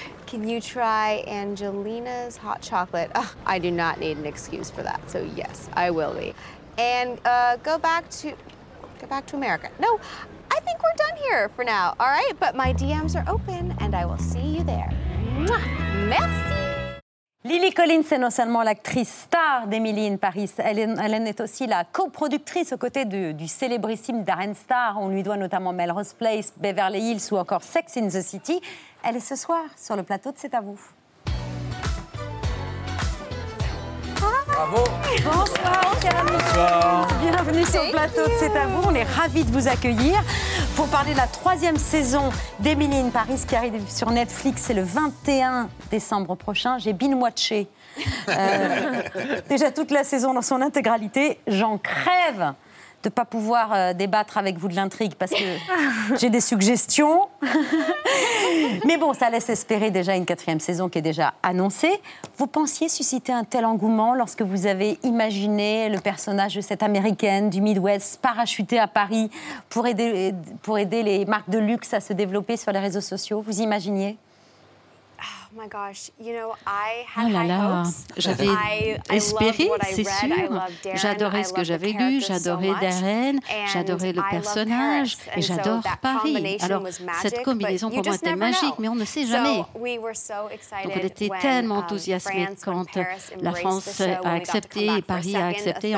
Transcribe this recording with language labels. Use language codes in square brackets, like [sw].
[en] Can you try Angelina's hot chocolate? Ugh, I do not need an excuse for that, so yes, I will be. And go back to America. No, I think we're done here for now, all right? But my DMs are open, and I will see you there. [fr] Mwah! Merci! Lily Collins est non seulement l'actrice star d'Emily in Paris, elle est aussi la coproductrice aux côtés du célébrissime Darren Star. On lui doit notamment Melrose Place, Beverly Hills ou encore Sex in the City. Elle est ce soir sur le plateau de C'est à vous. Bravo. Bonsoir, bienvenue sur le plateau de C'est à vous. On est ravis de vous accueillir pour parler de la troisième saison d'Emily in Paris qui arrive sur Netflix. C'est le 21 décembre prochain. J'ai binge-watché déjà toute la saison dans son intégralité. J'en crève de ne pas pouvoir débattre avec vous de l'intrigue parce que j'ai des suggestions. Mais bon, ça laisse espérer déjà une quatrième saison qui est déjà annoncée. Vous pensiez susciter un tel engouement lorsque vous avez imaginé le personnage de cette Américaine du Midwest parachutée à Paris pour aider les marques de luxe à se développer sur les réseaux sociaux? Vous imaginiez? [en] Oh my gosh, you know, I had high hopes. [fr] J'avais espéré, c'est sûr. J'adorais ce que j'avais lu, j'adorais Darren, j'adorais le personnage et j'adore Paris. Alors, cette combinaison pour moi était magique, mais on ne sait jamais. Donc, on était tellement enthousiasmés quand la France a accepté et Paris a accepté.